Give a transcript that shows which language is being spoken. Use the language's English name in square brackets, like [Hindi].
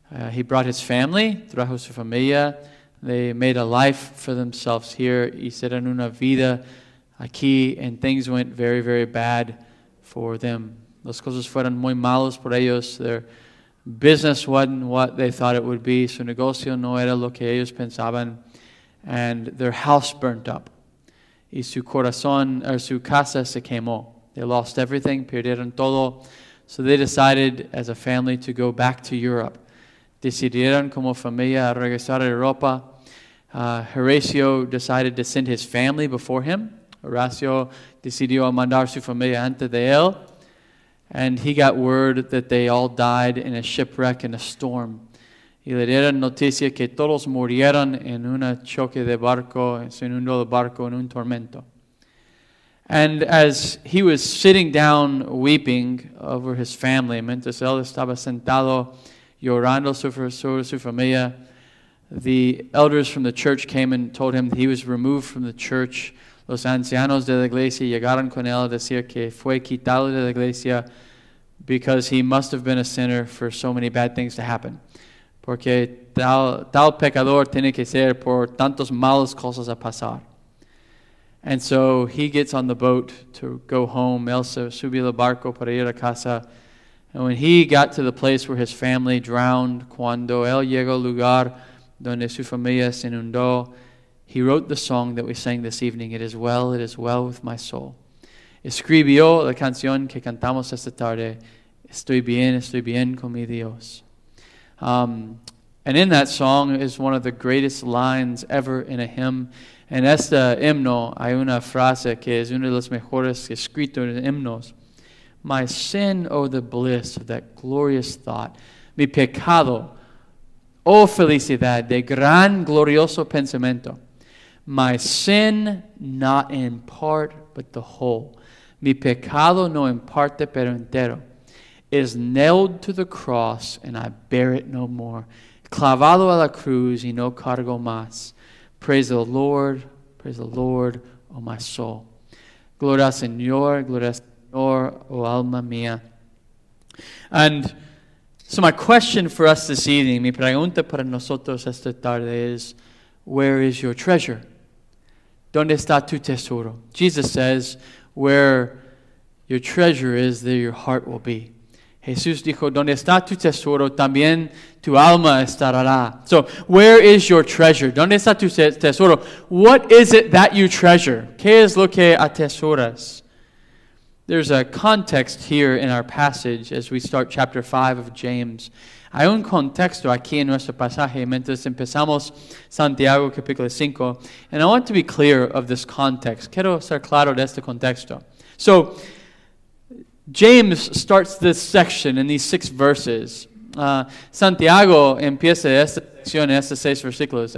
[English] He brought his family, [Spanish] trajo su familia. [English] They made a life for themselves here. [Spanish] Hicieron una vida aquí, [English] and things went very, very bad for them. [Spanish] Las cosas fueron muy malos por ellos. [English] Their business wasn't what they thought it would be. [Spanish] Su negocio no era lo que ellos pensaban. [English] And their house burnt up. [Spanish] Y su corazón, or su casa, se quemó. [English] They lost everything, [Spanish] perdieron todo. [English] So they decided as a family to go back to Europe. [Spanish] Decidieron como familia regresar a Europa. [English] Horatio decided to send his family before him. [Spanish] Horacio decidió mandar su familia antes de él. [English] And he got word that they all died in a shipwreck in a storm. [Spanish] Y le dieron noticia que todos murieron en un choque de barco, en un nuevo barco, en un tormento. [English] And as he was sitting down weeping over his family, [Spanish] mientras él estaba sentado llorando sobre su familia, [English] the elders from the church came and told him that he was removed from the church. [Spanish] Los ancianos de la iglesia llegaron con él a decir que fue quitado de la iglesia [English] because he must have been a sinner for so many bad things to happen. [Spanish] Porque tal pecador tiene que ser por tantos malos cosas a pasar. [English] And so he gets on the boat to go home. [Spanish] Él subió el barco para ir a casa. [English] And when he got to the place where his family drowned, [Spanish] cuando él llegó al lugar donde su familia se inundó, [English] he wrote the song that we sang this evening, it is well with my soul. [Spanish] Escribió la canción que cantamos esta tarde, estoy bien con mi Dios. [English] And in that song is one of the greatest lines ever in a hymn. [Spanish] En este himno hay una frase que es una de las mejores escritas en himnos. [English] My sin, oh the bliss of that glorious thought. [Spanish] Mi pecado, oh felicidad de gran glorioso pensamiento. [English] My sin, not in part, but the whole. [Spanish] Mi pecado no en parte, pero entero. [English] Is nailed to the cross, and I bear it no more. [Spanish] Clavado a la cruz, y no cargo más. [English] Praise the Lord, oh my soul. [Spanish] Gloria al Señor, oh alma mía. [English] And so my question for us this evening, [Spanish] mi pregunta para nosotros esta tarde [English] is, where is your treasure? [Spanish] ¿Dónde está tu tesoro? [English] Jesus says, where your treasure is, there your heart will be. [Spanish] Jesús dijo, ¿dónde está tu tesoro? También tu alma estará. [English] So, where is your treasure? [Spanish] ¿Dónde está tu tesoro? [English] What is it that you treasure? [Spanish] ¿Qué es lo que atesoras? [English] There's a context here in our passage as we start chapter 5 of James. [Spanish] Hay un contexto aquí en nuestro pasaje mientras empezamos Santiago capítulo 5. [English] And I want to be clear of this context. [Spanish] Quiero ser claro de este contexto. [English] So, James starts this section in these six verses. [Spanish] Santiago empieza esta sección en estos seis versículos.